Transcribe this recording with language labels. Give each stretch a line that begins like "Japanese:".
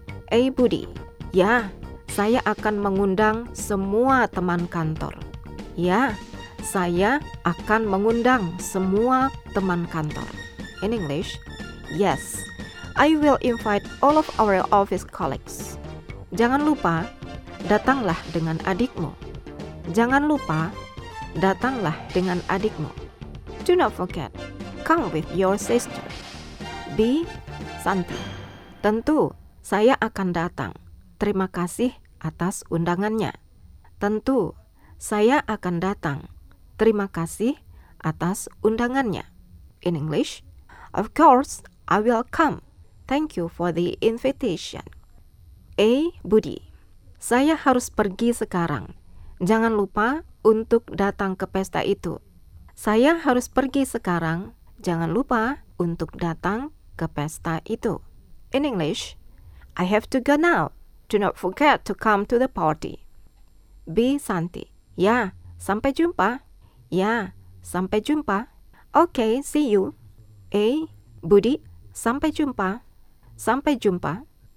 Indonesian: A. Budi. Ya, saya akan mengundang semua teman kantor. Ya, saya akan mengundang semua teman kantor.
English: In English, yes. I will invite all of our office colleagues.
Indonesian: Jangan lupa, datanglah dengan adikmu. Jangan lupa, datanglah dengan adikmu.
English: Do not forget, come with your sister.
Indonesian: B. Santi. Tentu, saya akan datang. Terima kasih atas undangannya. Tentu, saya akan datang. Terima kasih atas undangannya.
English: In English, of course, I will come. Thank you for the invitation. A. Budi.
Indonesian: Saya harus pergi sekarang. Jangan lupa untuk datang ke pesta itu. Saya harus pergi sekarang. Jangan lupa untuk datang ke pesta itu.
English: In English, I have to go now. Do not forget to come to the party.
Indonesian: B. Santi. Ya, sampai jumpa. Ya, sampai jumpa.
English: Okay, see you.
Indonesian: A. Budi. Sampai jumpa. Sampai jumpa.